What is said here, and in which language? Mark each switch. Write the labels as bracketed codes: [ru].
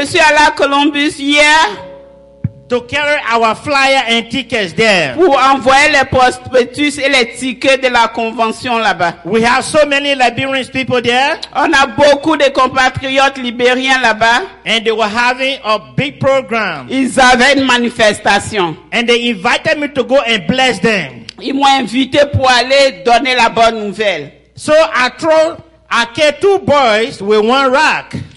[fr] Je suis allé à Columbus hier. [en] To carry our flyer and tickets there. [fr] Pour envoyer les prospectus et les tickets de la convention là-bas. [en] We have so many Liberian people there. [fr] On a beaucoup de compatriotes libériens là-bas. [en] And they were having a big program. [fr] Ils avaient une manifestation. [en] And they invited me to go and bless them. [fr] Ils m'ont invité pour aller donner la bonne nouvelle. [en] So I throw, I get two boys with one rock.